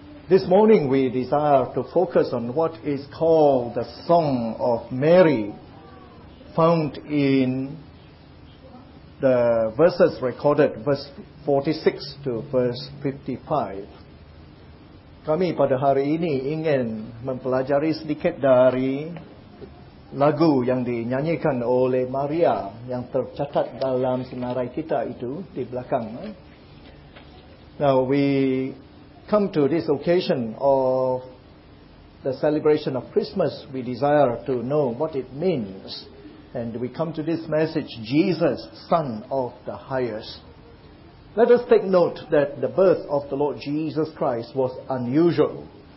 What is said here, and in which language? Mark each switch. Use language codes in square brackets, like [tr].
[en] This morning we desire to focus on what is called the Song of Mary, found in the verses recorded, verse 46 to verse 55. [ms] Kami pada hari ini ingin mempelajari sedikit dari lagu yang dinyanyikan oleh Maria yang tercatat dalam senarai kita itu di belakang. [en] Now we come to this occasion of the celebration of Christmas. We desire to know what it means. And we come to this message, Jesus, Son of the Highest. Let us take note that the birth of the Lord Jesus Christ was unusual.